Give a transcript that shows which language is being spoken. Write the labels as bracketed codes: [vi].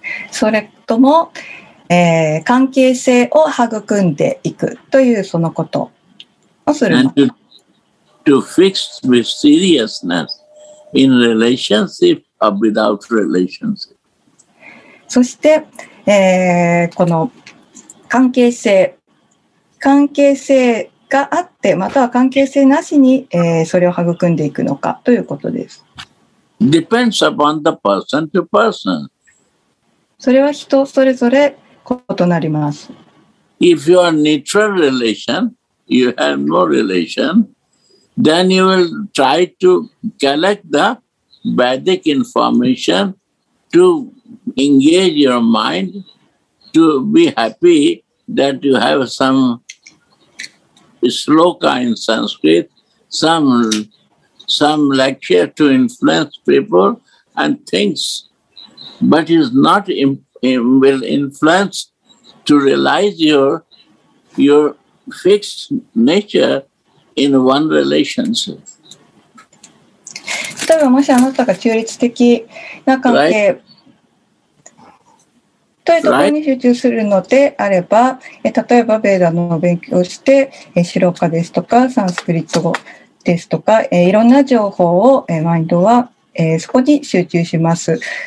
[ja] それとも、関係性を育んでいくというそのことをするのか。 [en] And to fix with seriousness in relationship or without relationship. [ja] そして、この関係性、関係性があって、または関係性なしに、それを育んでいくのかということです。 [en] Depends upon the person to person. [ja] それは人それぞれ異なります。 [en] If you are neutral relation, you have no relation, then you will try to collect the Vedic information to engage your mind to be happy that you have some sloka in Sanskrit, some lecture to influence people and things, but is not will influence to realize your fixed nature in one relationship. [ja] 例えばもしあなたが中立的な関係、 [en] right. [ja] というところに集中するのであれば、例えばベーダの勉強をして、シロカですとかサンスクリット語ですとか、いろんな情報を、マインドは、そこに集中します。